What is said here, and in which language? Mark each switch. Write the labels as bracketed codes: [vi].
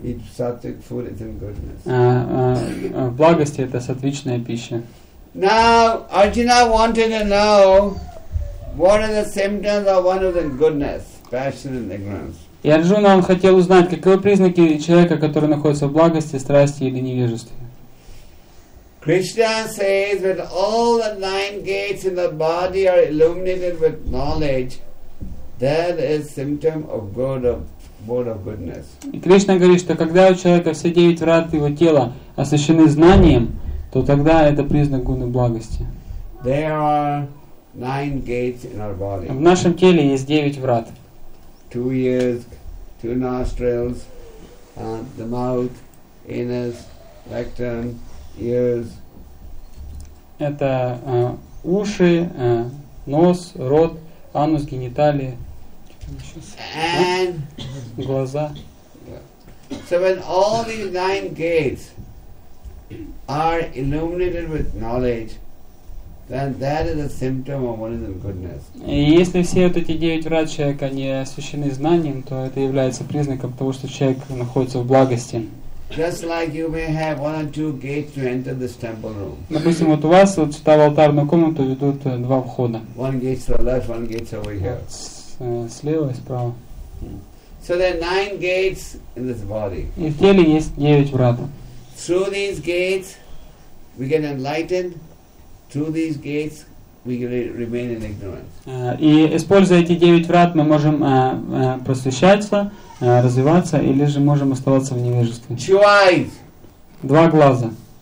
[en] Eat sattvic food is in goodness. [ru] В благости это сатвичная пища. [en] Now Arjuna wanted to know what are the symptoms of one of the goodness, passion and ignorance. [ru] И Арджуна он хотел узнать, каковы признаки человека, который находится в благости, страсти или невежестве. [en] Krishna says that all the nine gates in the body are illuminated with knowledge. That is symptom of good of mode of goodness. [ru] И Кришна говорит, что когда у человека все девять врат его тела освещены знанием, то тогда это признак гуны благости. [en] There are nine gates in our body. [ru] В нашем теле есть девять врат. [en] Two ears, two nostrils, the mouth, anus, rectum. Ears. [ru] Это уши, нос, рот, анус, гениталии, [en] and [ru] глаза. [en] So when all these nine gates are illuminated with knowledge, then that is a symptom of one of them goodness. [ru] И если все вот эти девять врат человека не освящены знанием, то это является признаком того, что человек находится в благости. [en] Just like you may have one or two gates to enter this temple room. [ru] Допустим, вот у вас вот сюда в алтарную комнату ведут два входа. [en] One gate to the left, one gate over here. [ru] Слева и справа. [en] So there are nine gates in this body. [ru] И в теле есть девять врат. [en] Through these gates, we get enlightened. Through these gates, we remain in ignorance. [ru] И используя эти девять врат, мы можем просвещаться, развиваться, или же можем оставаться в невежестве. Два глаза.